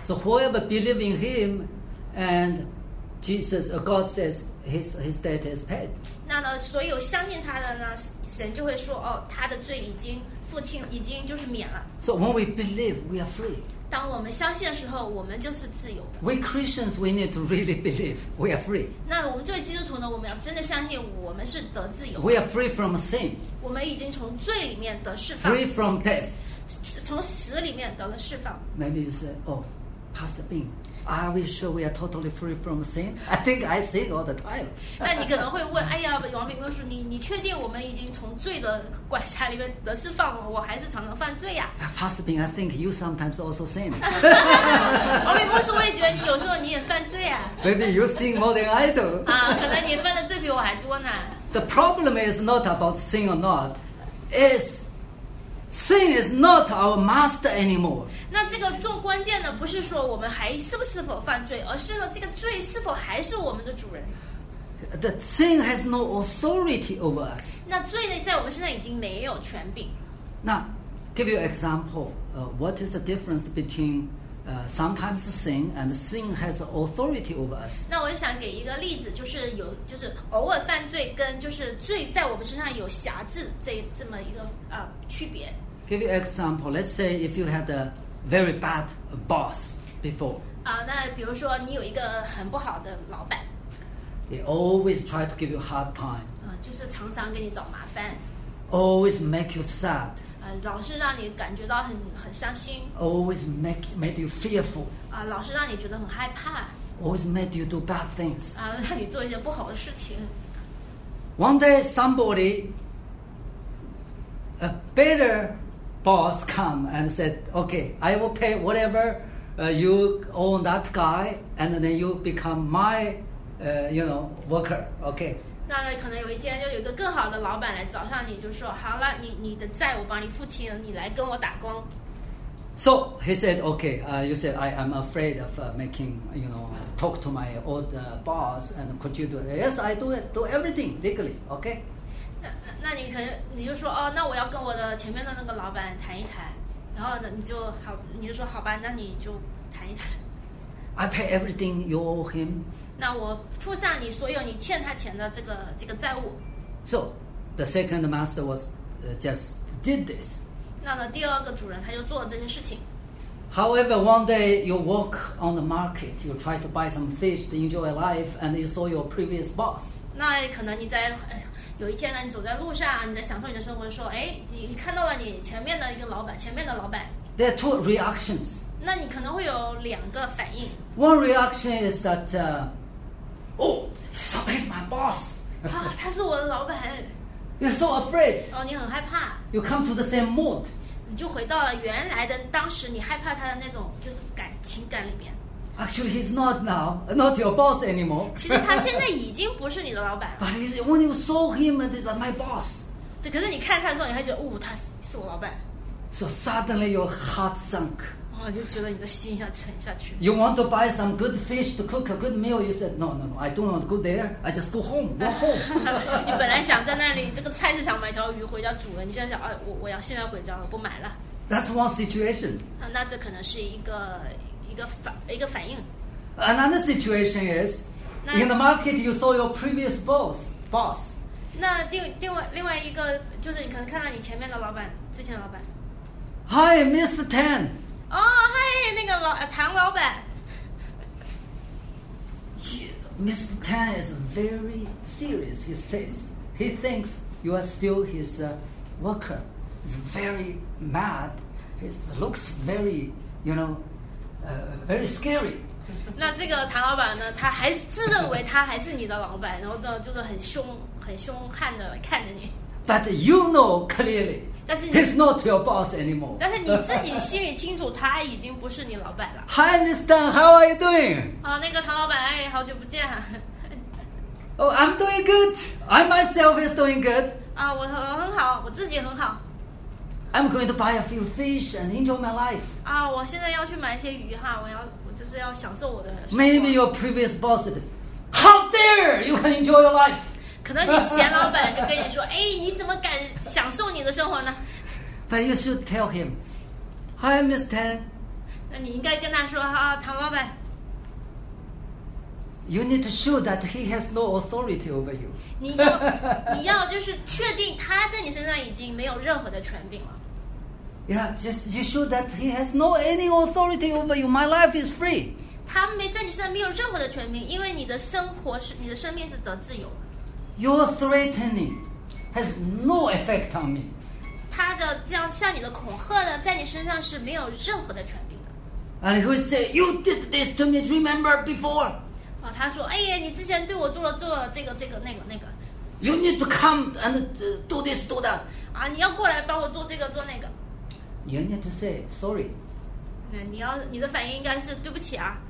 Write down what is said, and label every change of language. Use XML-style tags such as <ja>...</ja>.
<en>So whoever believes in him andJesus, God says his debt is paid.</en> <zh>那呢，所有相信他的呢，神就会说，哦，他的罪已经父亲已经就是免了。</zh> <en>So when we believe, we are free.</en> <zh>当我们相信的时候，我们就是自由的。</zh> <en>We Christians, we need to really believe we are free.</en> <zh>那我们作为基督徒呢，我们要真的相信我们是得自由的。</zh> <en>We are free from sin.</en> <zh>我们已经从罪里面得释放。</zh> <en>Free from death.</en> <zh>从死里面得了释放。</zh> <en>Maybe you say, oh, Pastor Bing. Are we sure we are totally free from sin? I think I sin all the time.</en> <zh>那你可能会问，哎呀，王炳坤叔，你确定我们已经从罪的管辖里面得释放了？我还是常常犯罪呀。</zh> <en>Pastor Bing, I think you sometimes also sin.</en> <zh>王炳坤叔，我也觉得你有时候你也犯罪啊。</zh> <en>Maybe you sin more than I do.</en> <zh>啊，可能你犯的罪比我还多呢。</zh> <en>The problem is not about sin or not, is. Sin is not our master anymore.</en> <zh>那这个重关键呢，不是说我们还是不是否犯罪，而是呢，这个罪是否还是我们的主人。</zh> <en>The sin has no authority over us.</en> <zh>那罪呢，在我们身上已经没有权柄。</zh> <en>Now, give you an example. What is the difference between sometimes sin and sin has authority over us?</en> <zh>那我想给一个例子，就是有，就是偶尔犯罪跟就是罪在我们身上有辖制这么一个区别。</zh> <en>Give you an example. Let's say if you had a very bad boss before.</en> <zh>那比如说你有一个很不好的老板。</zh> <en>He always try to give you hard time.</en> <zh>就是常常给你找麻烦。</zh> <en>Always make you sad.</en> <zh>老是让你感觉到很伤心。</zh> <en>Always made you fearful.</en> <zh>老是让你觉得很害怕。</zh> <en>always made you do bad things.</en> <zh>啊，让你做一些不好的事情。</zh> <en>One day somebody, a better boss come and said, okay, I will pay whatever you owe that guy, and then you become my, you know, worker, okay.</en> <zh>那可能有一天就有一个更好的老板来找上你，就说好了，你的债我帮你付清，你来跟我打工。</zh> <en>So he said, okay, you said, I am afraid of making, you know, talk to my old boss, and could you do it? Yes, I do it, do everything legally, okay?</en> <zh>那你就说,哦,那我要跟我的前面的那个老板谈一谈,然后呢,你就说,好吧,那你就谈一谈。</zh> <en>I pay everything you owe him.</en> <zh>那我付上你所有你欠他钱的这个债务。</zh> <en>So, the second master was, just did this.</en> <zh>那呢第二个主人他就做了这件事情。</zh> <en>However, one day you walk on the market, you try to buy some fish to enjoy life, and you saw your previous boss.</en> <zh>那可能你在有一天呢，你走在路上，你在享受你的生活，说，哎，你看到了你前面的一个老板，前面的老板。</zh> <en>There are two reactions.</en> <zh>那你可能会有两个反应。</zh> <en>One reaction is that, oh, he's my boss.</en> <zh>啊，他是我的老板。</zh> <en>You're so afraid.</en> <zh>哦，你很害怕。</zh> <en>You come to the same mood.</en> <zh>你就回到了原来的当时，你害怕他的那种就是感情感里面。</zh> <en>Actually, he's not now, not your boss anymore.</en> <zh>其实他现在已经不是你的老板了。</zh> <en>But when you saw him, he was my boss.</en> <zh>对，可是你看他的时候，你还觉得，哦，他是我老板。</zh> <en>So suddenly your heart sunk.</en> <zh>哦，就觉得你的心要沉下去。</zh> <en>You want to buy some good fish to cook a good meal. You said, No, I do not go there. I just go home. Go home.</en> <zh>你本来想在那里这个菜市场买条鱼回家煮的，你现在想，哎，我要现在回家，我不买了。</zh> <en>That's one situation.</en> <zh>啊，那这可能是一个反应。</zh> <en>Another situation is in the market. You saw your previous boss.</en> <zh>那另外一个就是你可能看到你前面的老板，之前的老板。</zh> <en>Hi, Mr. Tan. Oh, hi,</en> <zh>那个唐老板。</zh> <en>Mr. Tan is very serious, his face. He thinks you are still his worker. He's very mad. He looks very, you know, very scary.</en> <zh>那这个唐老板呢，他还自认为他还是你的老板，然后呢，就是很凶，很凶悍的看着你。</zh> <en>But you know clearly. He's not your boss anymore.</en> <zh>但是你自己心里清楚，他已经不是你老板了。</zh> <en>Hi, Mr. Tan, how are you doing?</en> <zh>啊，那个唐老板，哎，好久不见。</zh> <en>Oh, I'm doing good. I myself is doing good.</en> <zh>啊，我很好，我自己很好。</zh> <en>I'm going to buy a few fish and enjoy my life.</en> <zh>啊，我现在要去买一些鱼哈，我就是要享受我的。</zh> <en>Maybe your previous boss said, "How dare you can enjoy your life?"</en> <zh>可能你前老板就跟你说，哎，你怎么敢享受你的生活呢？</zh> <en>But you should tell him, Hi, Mr. Tan.</en> <zh>那你应该跟他说，啊，唐老板。</zh> <en>You need to show that he has no authority over you.</en> <zh>你要就是确定他在你身上已经没有任何的权柄了。</zh> <en>Yeah, just you show that he has no any authority over you. My life is free.</en> <zh>他没在你身上没有任何的权柄，因为你的生活是你的生命是得自由。</zh> <en>Your threatening has no effect on me.</en> <zh>他的这样向你的恐吓呢，在你身上是没有任何的权柄的。</zh> <en>And he would say, "You did this to me. Remember before?"</en> <zh>哦，他说，哎呀，你之前对我做了这个那个。</zh> <en>You need to come and do this, do that.</en> <zh>啊，你要过来帮我做这个做那个。</zh> <en>You need to say sorry.</en> <zh>那你的反应应该是对不起啊。</zh>